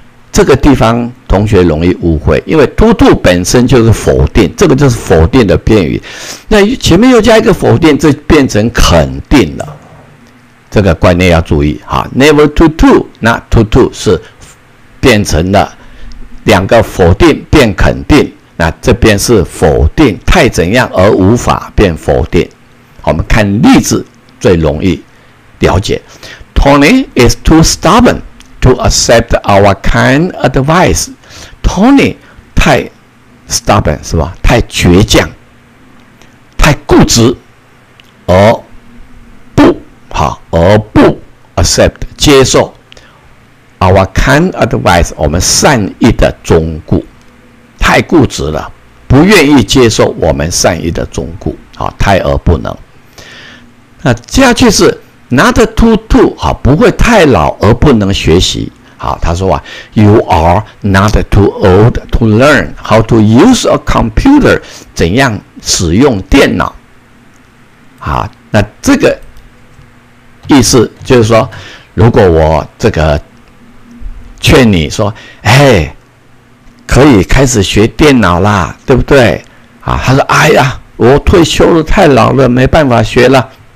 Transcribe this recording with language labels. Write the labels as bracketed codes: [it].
[zh] 这个地方同学容易误会，因为 to to 本身就是否定，这个就是否定的片语，那前面又加一个否定，这变成肯定了，这个观念要注意哈。 never to to not to to 是变成了两个否定变肯定，那这边是否定太怎样而无法变否定。我们看例子最容易了解。 [en] Tony is too stubborn to accept our kind advice。 [zh] Tony 太 stubborn 是吧，太倔强，太固执，而不 accept 接受 [en] Our kind advice， [zh] 我们善意的忠告，太固执了，不愿意接受我们善意的忠告，太而不能。那接下去是 not too too， 不会太老而不能学习。好，他说啊 ， [en] You are not too old to learn how to use a computer， [zh] 怎样使用电脑。好，那这个意思就是说，如果我这个劝你说，哎，可以开始学电脑啦，对不对？啊，他说，哎呀，我退休了，太老了，没办法学了。